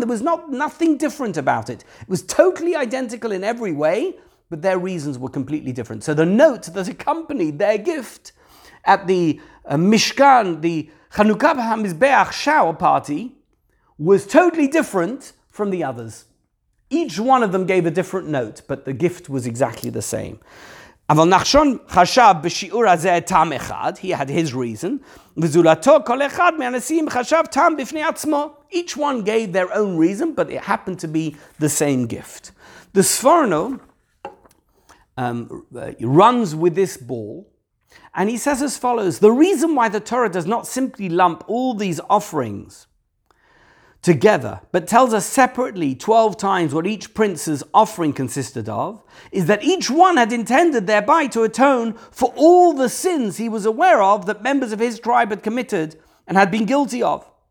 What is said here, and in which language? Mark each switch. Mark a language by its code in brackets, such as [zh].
[en] There was nothing different about it. It was totally identical in every way, but their reasons were completely different. So the note that accompanied their gift at the Mishkan, the Chanukah HaMizbeach shower party, was totally different from the others. Each one of them gave a different note, but the gift was exactly the same. [he] אבל נחשון חשב בשיעור הזה טעם אחד, [en] he had his reason, [he] וזולתו כל אחד מהנשיאים חשב טעם בפני עצמו. [en] Each one gave their own reason, but it happened to be the same gift. The Sforno runs with this ball, and he says as follows, the reason why the Torah does not simply lump all these offerings together, but tells us separately 12 times what each prince's offering consisted of, is that each one had intended thereby to atone for all the sins he was aware of that members of his tribe had committed and had been guilty of.